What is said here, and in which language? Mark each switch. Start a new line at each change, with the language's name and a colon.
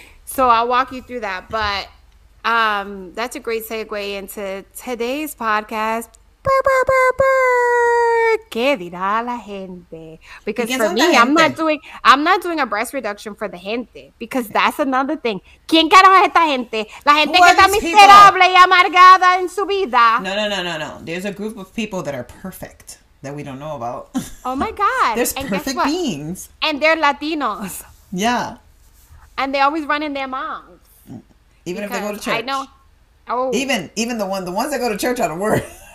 English: So I'll walk you through that. But that's a great segue into today's podcast.
Spanish: Burr, burr, burr, burr. ¿Qué dirá la gente? Because for me, I'm not doing a breast reduction for the gente because that's another thing. ¿Quién carajo esta gente? La gente que está miserable y amargada en su vida. No.
English: There's a group of people that are perfect that we don't know about. Oh my God. There's perfect beings. And they're Latinos. Yeah. And they always run in their moms. Even if they go to church. I know. Oh. Even the ones that go to church are the worst.